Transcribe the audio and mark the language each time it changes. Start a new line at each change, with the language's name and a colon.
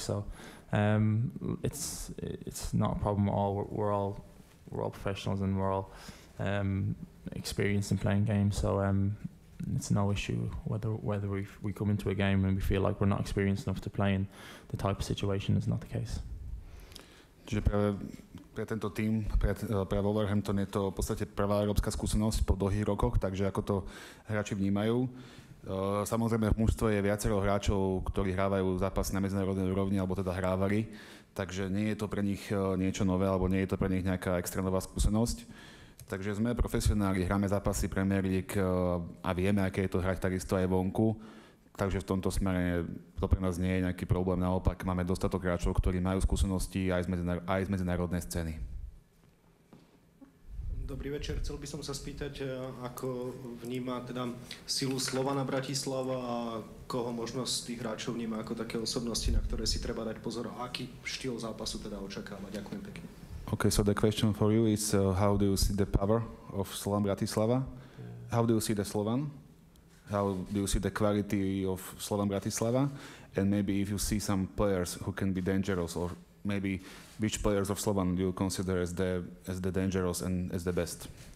English: So it's not a problem at all. We're all professionals and we're all experienced in playing games. So it's no issue whether we come into a game and we feel like we're not experienced enough to play in the type of situation is not the case.
Slovak: Čiže práve pre tento tím, pre Wolverhampton je to v podstate prvá európska skúsenosť po dlhých rokoch, takže ako to hráči vnímajú. Samozrejme v mužstve je viacero hráčov, ktorí hrávajú zápas na medzinárodnej úrovni, alebo teda hrávali, takže nie je to pre nich niečo nové, alebo nie je to pre nich nejaká extrémová skúsenosť. Takže sme profesionáli, hráme zápasy Premier League a vieme, aké je to hrať takisto aj vonku. Takže v tomto smere to pre nás nie je nejaký problém. Naopak, máme dostatok hráčov, ktorí majú skúsenosti aj z medzinárodnej scény. Dobrý večer. Chcel by som sa spýtať, ako vníma teda silu Slovana Bratislava a koho možno z tých hráčov vníma ako také osobnosti, na ktoré si treba dať pozor, aký štýl zápasu teda očakávať. Ďakujem pekne.
English: Okay, so the question for you is how do you see the power of Slovan Bratislava? How do you see the Slovan? How do you see the quality of Slovan Bratislava? And maybe if you see some players who can be dangerous, or maybe which players of Slovan do you consider as the dangerous and as the best?